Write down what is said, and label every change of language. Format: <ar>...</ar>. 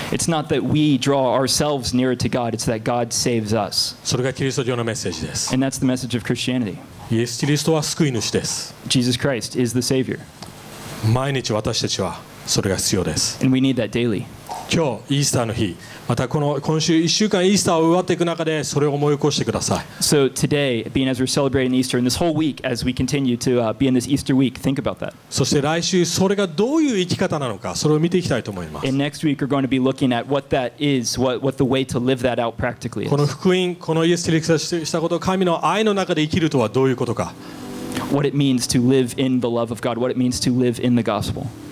<en>It's not that we draw ourselves nearer to God, it's that God saves us.</en> <ja>それがキリスト教のメッセージです。</ja> <en>And that's the message of Christianity.</en> <ja>イエス・キリストは救い主です。</ja> <en>Jesus Christ is the Savior.</en> <ja>毎日私たちはそれが必要です。</ja> <en>And we need that daily.</en> <ja>今日、イースターの日、またこの今週1週間イースターを祝っていく中でそれを思い起こしてください。</ja> <en>So today, being as we're celebrating Easter and this whole week as we continue to be in this Easter week, think about that.</en> <ja>そして来週それがどういう生き方なのかそれを見ていきたいと思います。</ja> <en>And next week we're going to be looking at what that is, what the way to live that out practically is.</en> <ja>この福音、このイエス・キリストしたことを神の愛の中で生きるとはどういうことか。</ja> <en>What it means to live in the love of God, what it means to live in the gospel.</en>